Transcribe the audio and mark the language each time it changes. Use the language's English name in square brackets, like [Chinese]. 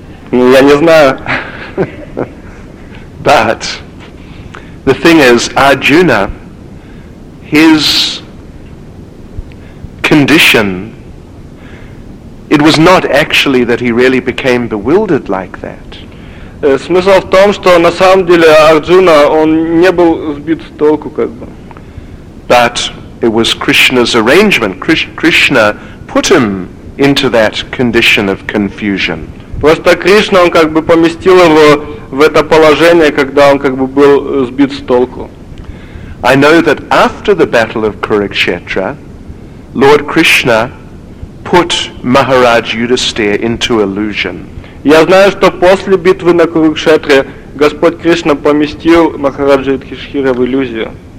[Russian] Я не знаю. [English] But the thing is, Arjuna, his condition, it was not actually that he really became bewildered like that. [Russian] Смысл в том, что на самом деле Арджуна, он не был сбит с толку, как бы. [English] But it was Krishna's arrangement. Krishna put him into that condition of confusion. [Russian] Просто Кришна, он как бы поместил его в это положение, когда он как бы был сбит с толку. [English] I know that after the battle of Kurukshetra, Lord Krishna put Maharaj Yudhisthira into illusion. [Russian] Я знаю, что после битвы на Курукшетре Господь Кришна поместил Махараджу Юдхиштхира в иллюзию.